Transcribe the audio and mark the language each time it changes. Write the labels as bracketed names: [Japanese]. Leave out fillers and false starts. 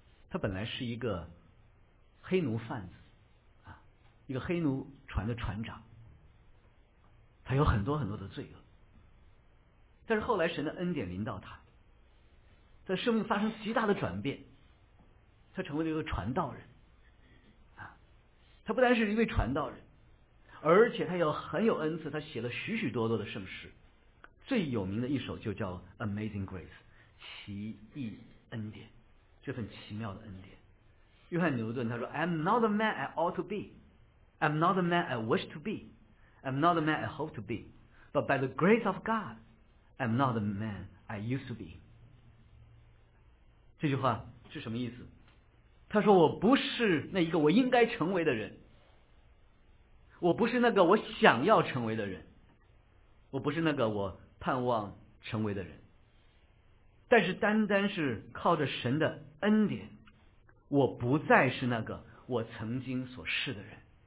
[Chinese] 他本来是一个黑奴贩子，一个黑奴船的船长，他有很多很多的罪恶，但是后来神的恩典临到他，他生命发生极大的转变，他成为了一个传道人。他不单是一位传道人，而且他有很有恩赐，他写了许许多多的圣诗，最有名的一首就叫 Amazing Grace, 奇异恩典，这份奇妙的恩典。约翰牛顿他说 [English] I'm not the man I ought to be, I'm not the man I wish to be, I'm not the man I hope to be, but by the grace of God I'm not the man I used to be。 [Chinese] 这句话是什么意思？他说我不是那一个我应该成为的人，我不是那个我想要成为的人，我不是那个我盼望成为的人，但是单单是靠着神的恩典，我不再是那个我曾经所是的人。